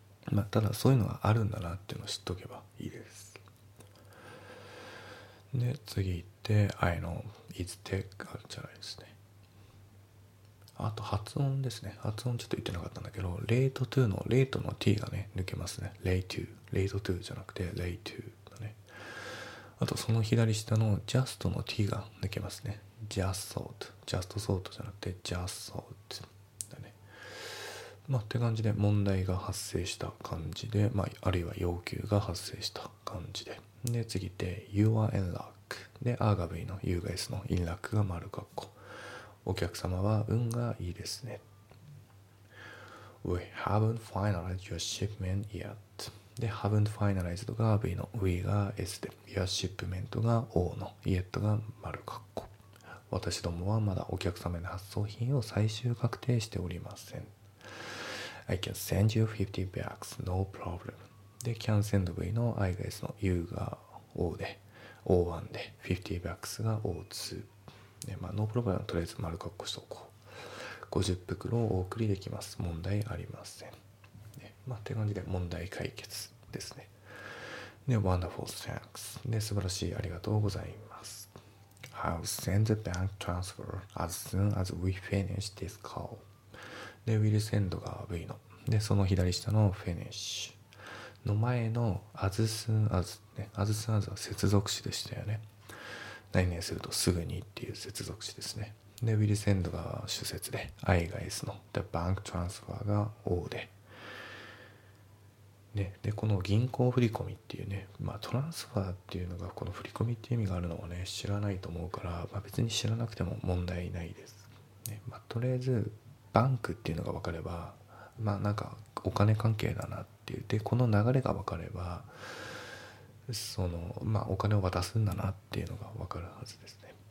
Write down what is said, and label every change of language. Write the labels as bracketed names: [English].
[Japanese] まあ、ただそういうのがあるんだなっていうのを知っとけばいいです。で、次行ってで [English] I know is take [Japanese] あるじゃないですね。あと発音ですね。発音ちょっと言ってなかったんだけど、late to の late の t がね抜けますね。 late to、 late to じゃなくて late to だね。あとその左下の just の t が抜けますね。 just thought、 just thought じゃなくて just thought だね。まあって感じで問題が発生した感じで、まあ、あるいは要求が発生した感じで、で次で [English] you are in luck [Japanese] で R が V の U が S の in luck が丸括弧、お客様は運がいいですね。 [English] We haven't finalized your shipment yet [Japanese] で haven't finalized が V の We が S で your shipment が O の yet が丸括弧、私どもはまだお客様の発送品を最終確定しておりません。 [English] I can send you 50 bags no problem [Japanese] で can send V の I が S の U が O で O1 で 50 bags が O2、ね、まあノープロブレムとりあえず丸括弧しておこう。 50袋をお送りできます、問題ありません、ね、まあって感じで問題解決ですね。 [English] で Wonderful thanks [Japanese] で素晴らしいありがとうございます、 [English] I'll send the bank transfer as soon as we finish this call. [Japanese] で、will send が V の。で、その左下の finish の前の as soon as ね、as soon as は接続詞でしたよね。何々するとすぐにっていう接続詞ですね。で、will send が主節で、I が S の。 で、bank transfer が O で。ね、でこの銀行振込っていうね、まあ、トランスファーっていうのがこの振込っていう意味があるのをね知らないと思うから、まあ、別に知らなくても問題ないです、ね、まあ、とりあえずバンクっていうのが分かれば、まあ、なんかお金関係だなっていう、でこの流れが分かればその、まあ、お金を渡すんだなっていうのが分かるはずですね。